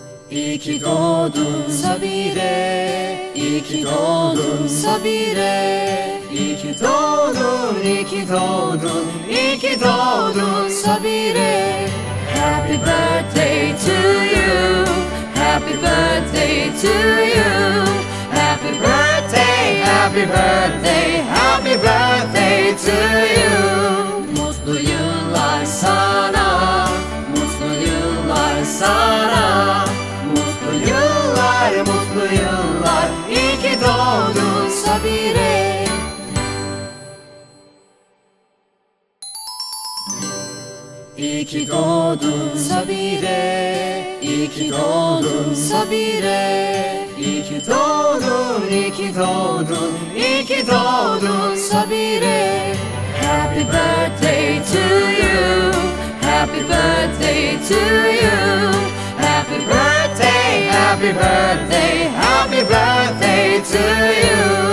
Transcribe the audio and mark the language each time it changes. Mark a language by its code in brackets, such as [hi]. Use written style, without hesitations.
[tr] İyi ki doğdun Sabire, İyi ki doğdun Sabire, İyi ki doğdun, İyi ki doğdun, İyi ki doğdun Sabire. [en] Happy birthday to you, happy birthday to you, happy birthday, happy birthday, happy birthday to you. [tr] Mutlu yıllar sana, mutlu yıllar sana, mutlu yıllar, mutlu yıllar, iyi ki doğdun Sabire. İyi ki doğdun Sabire, İyi ki doğdun Sabire, İyi ki doğdun, İyi ki doğdun, İyi ki doğdun Sabire. [en] Happy birthday to you, happy birthday to you, happy birthday, happy birthday, happy birthday to you.